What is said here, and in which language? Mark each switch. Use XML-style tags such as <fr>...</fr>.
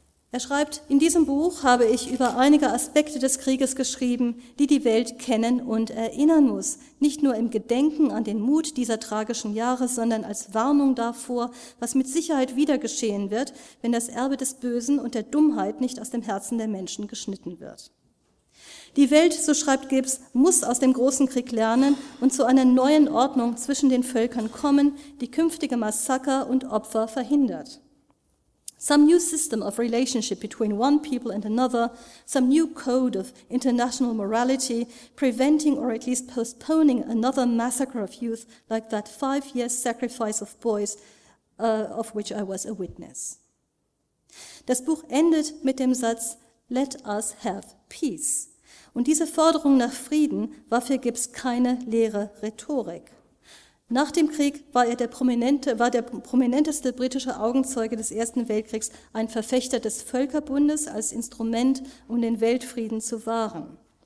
<de>Er schreibt, in diesem Buch habe ich über einige Aspekte des Krieges geschrieben, die die Welt kennen und erinnern muss, nicht nur im Gedenken an den Mut dieser tragischen Jahre, sondern als Warnung davor, was mit Sicherheit wieder geschehen wird, wenn das Erbe des Bösen und der Dummheit nicht aus dem Herzen der Menschen geschnitten wird. Die Welt, so schreibt Gibbs, muss aus dem großen Krieg lernen und zu einer neuen Ordnung zwischen den Völkern kommen, die künftige Massaker und Opfer verhindert.</de> <en>Some new system of relationship between one people and another, some new code of international morality, preventing or at least postponing another massacre of youth like that 5 years sacrifice of boys, of which I was a witness.</en> <de>Das Buch endet mit dem Satz,</de> <en>let us have peace.</en> <de>Und diese Forderung nach Frieden war für Gibbs keine leere Rhetorik. Nach dem Krieg war der prominenteste britische Augenzeuge des Ersten Weltkriegs ein Verfechter des Völkerbundes als Instrument, um den Weltfrieden zu wahren.</de>